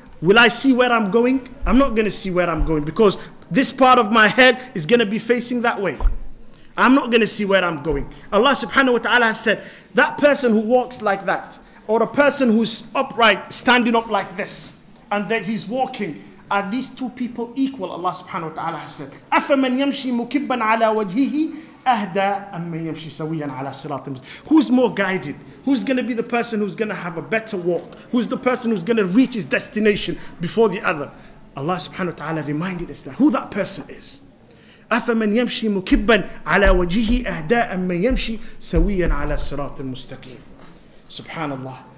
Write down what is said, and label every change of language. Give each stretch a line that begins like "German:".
English: Will I see where I'm going? I'm not going to see where I'm going because this part of my head is going to be facing that way. I'm not going to see where I'm going. Allah subhanahu wa ta'ala has said, that person who walks like that, or a person who's upright, standing up like this, and that he's walking, are these two people equal? Allah subhanahu wa ta'ala has said,
Arabic: أَفَمَنْ يَمْشِي مُكِبًّا عَلَى وَجْهِهِ أَهْدَى أَمَّنْ يَمْشِي سَوِيًّا عَلَى صِرَاطٍ.
English: Who's more guided? Who's going to be the person who's going to have a better walk? Who's the person who's going to reach his destination before the other? Allah subhanahu wa ta'ala reminded us that who that person is.
Arabic: أَفَمَنْ يَمْشِي مُكِبًّا عَلَى وَجِهِ أَهْدَاءً مَنْ يَمْشِي سَوِيًّا عَلَى صِرَاطٍ مُسْتَقِيمٍ.
English: Subhanallah.